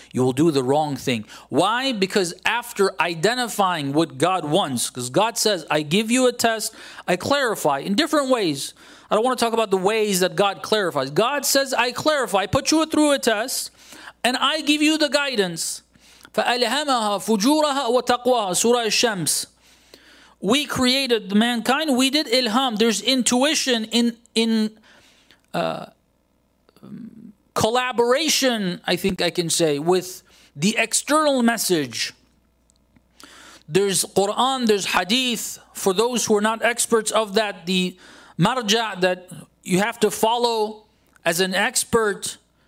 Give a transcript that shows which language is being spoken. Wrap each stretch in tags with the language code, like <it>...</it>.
<en>You will do the wrong thing. Why? Because after identifying what God wants, because God says, I give you a test, I clarify in different ways. I don't want to talk about the ways that God clarifies. God says, I clarify, I put you through a test, and I give you the guidance.</en> <ar>فَأَلْهَمَهَا فُجُورَهَا وَتَقْوَاهَا Surah Al-Shams.</ar> <en>We created the mankind. We did ilham. There's intuition in collaboration, I think I can say, with the external message. There's Quran, there's hadith. For those who are not experts of that, the marja that you have to follow as an expert.</en>